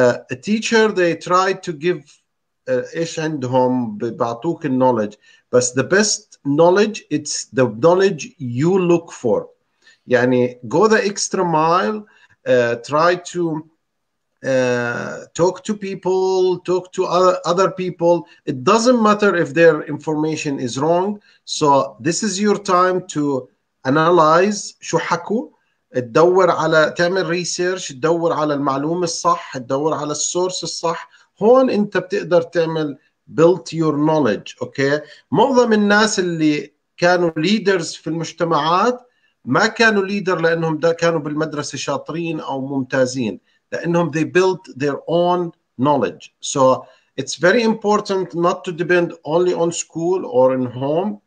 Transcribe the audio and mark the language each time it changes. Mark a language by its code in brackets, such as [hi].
[en] A teacher, they try to give [ar] إيش عندهم, بيعطوك النوليدج, بس [en] the best knowledge, it's the knowledge you look for. يعني go the extra mile, try to talk to people, talk to other people. It doesn't matter if their information is wrong. So this is your time to analyze [ar] شو حكوا, تدور على, تعمل research, تدور على المعلومة الصح, تدور على السورس الصح. هون انت بتقدر تعمل [en] built your knowledge. [ar] Okay, معظم الناس اللي كانوا leaders في المجتمعات ما كانوا leader لأنهم دا كانوا بالمدرسة شاطرين أو ممتازين, لأنهم [en] they built their own knowledge. So it's very important not to depend only on school or in home.